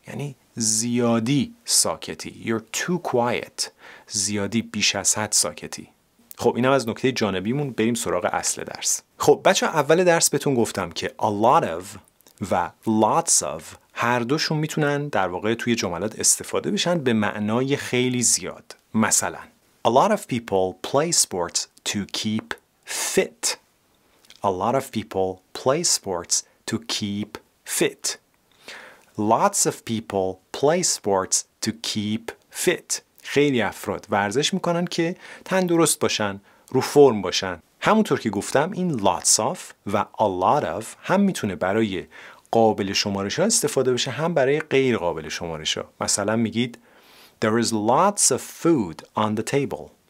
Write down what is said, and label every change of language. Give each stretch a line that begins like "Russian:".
Persian: یعنی زیادی ساکتی.
English: You're too quiet.
Persian: زیادی بیش از حد ساکتی. خب اینم از نکته جانبیمون بریم سراغ اصل درس. خب بچه اول درس بهتون گفتم که A lot of و lots of هر دوشون میتونن در واقع توی جملات استفاده بشن به معنای خیلی زیاد. مثلا
English: A lot of people play sports to keep fit. A lot of people play sports to keep fit. Lots of people play sports to keep fit.
Persian: خیلی افراد ورزش میکنن که تندرست باشن، رو فرم باشن. همونطور که گفتم این lots of و a lot of هم میتونه برای قابل شمارش ها استفاده بشه هم برای غیر قابل شمارش ها. مثلا میگید
English: There is lots of food on the table.